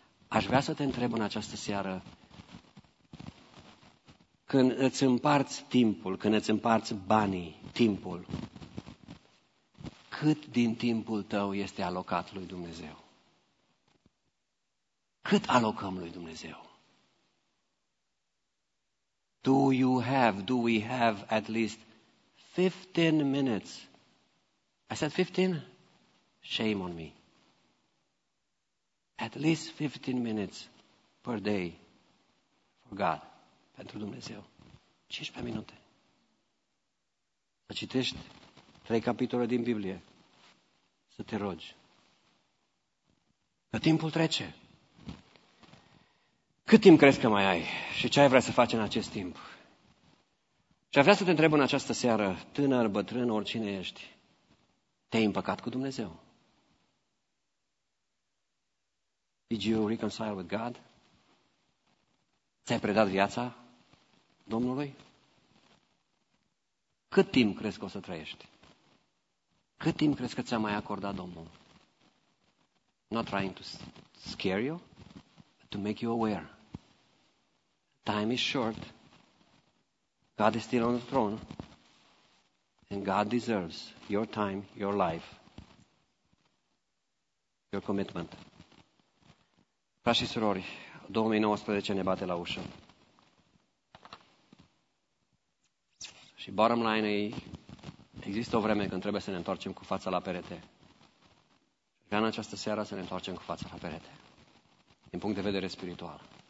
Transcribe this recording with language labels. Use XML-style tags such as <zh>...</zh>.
<ro>Aș vrea să te întreb în această seară, când îți împarți timpul, când îți împarți banii, timpul, cât din timpul tău este alocat lui Dumnezeu? Cât alocăm lui Dumnezeu?</ro> <en>Do we have at least 15 minutes? I said 15? Shame on me. At least 15 minutes per day for God,</en> <ro>pentru Dumnezeu. 15 minute. Să citești 3 capitole din Biblie, să te rogi. Că timpul trece. Cât timp crezi că mai ai și ce ai vrea să faci în acest timp? Și-aș vrea să te întreb în această seară, tânăr, bătrân, oricine ești, te-ai împăcat cu Dumnezeu?</ro> <en>Did you reconcile with God?</en> <ro>Ți-ai predat viața Domnului? Cât timp crezi că o să trăiești? Cât timp crezi că ți-a mai acordat Domnul?</ro> <en>Not trying to scare you, but to make you aware. Time is short. God is still on the throne. And God deserves your time, your life, your commitment.</en> <ro>Frați și surori, 2019 ne bate la ușă. Și</ro> <en>bottom line</en> <ro>e, există o vreme când trebuie să ne întoarcem cu fața la perete. Vreau în această seară să ne întoarcem cu fața la perete, din punct de vedere spiritual.</ro>